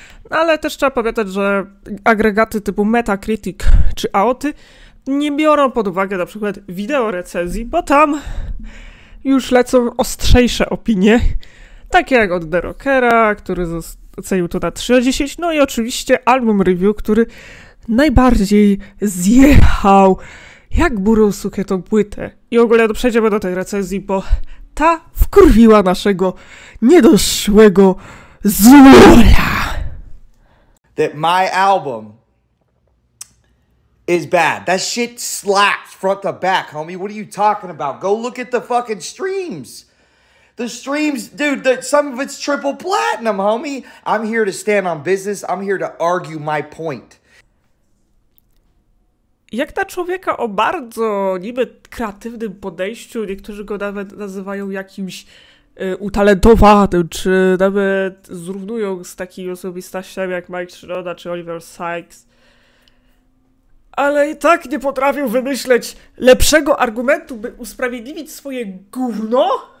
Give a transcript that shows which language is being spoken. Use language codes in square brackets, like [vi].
[pl] Ale też trzeba pamiętać, że agregaty typu Metacritic czy AOT nie biorą pod uwagę na przykład wideo recenzji, bo tam już lecą ostrzejsze opinie, takie jak od The Rockera, który ocenił to na 3/10, no i oczywiście album review, który najbardziej zjechał jak burą sukę tą płytę. I w ogóle przejdziemy do tej recenzji, bo ta wkurwiła naszego niedoszłego Zula. [en] That my album is bad. That shit slaps front to back, homie. What are you talking about? Go look at the fucking streams. The streams, dude, some of it's triple platinum, homie. I'm here to stand on business. I'm here to argue my point. [pl] Jak ta człowieka o bardzo niby kreatywnym podejściu, niektórzy go nawet nazywają jakimś utalentowanym, czy nawet zrównują z takimi osobistościami jak Mike Shinoda czy Oliver Sykes, ale i tak nie potrafił wymyśleć lepszego argumentu, by usprawiedliwić swoje gówno?